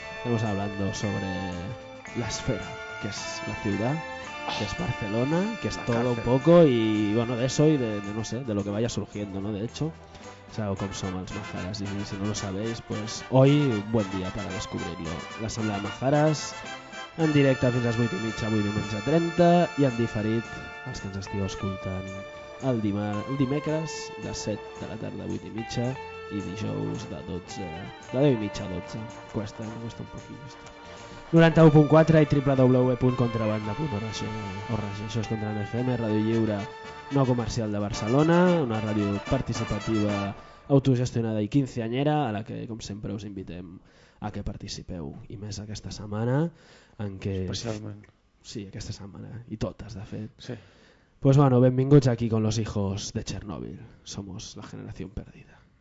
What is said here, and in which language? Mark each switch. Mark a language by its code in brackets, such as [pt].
[es] Estamos hablando sobre la esfera, que es la ciudad, que es Barcelona, que es la todo cárcel. Un poco y bueno, de eso y de no sé, de lo que vaya surgiendo, ¿no? De hecho, es algo como son las Majaras y si no lo sabéis, pues hoy un buen día para descubrirlo. La Asamblea de Majaras... [ca] En directe fins a les 8 i mitja, avui diumenge 30, i en diferit, els que ens estigueu escoltant, el dimecres de 7 de la tarda a 8 i mitja, i dijous de 12, de 10 i mitja a 12. [es] Cuesta un poquí, esto. [ca] 91.4 i www.contrabanda.org, això és Contraband FM, Ràdio Lliure No Comercial de Barcelona, una ràdio participativa autogestionada i quinceanyera, a la que, com sempre, us invitem a que participeu, i més aquesta setmana... En què... Especialment. Sí, aquesta setmana. I totes, de fet. Sí. [es] Pues bueno, [ca] benvinguts aquí [es] con los hijos de Chernóbil. Somos la generación perdida.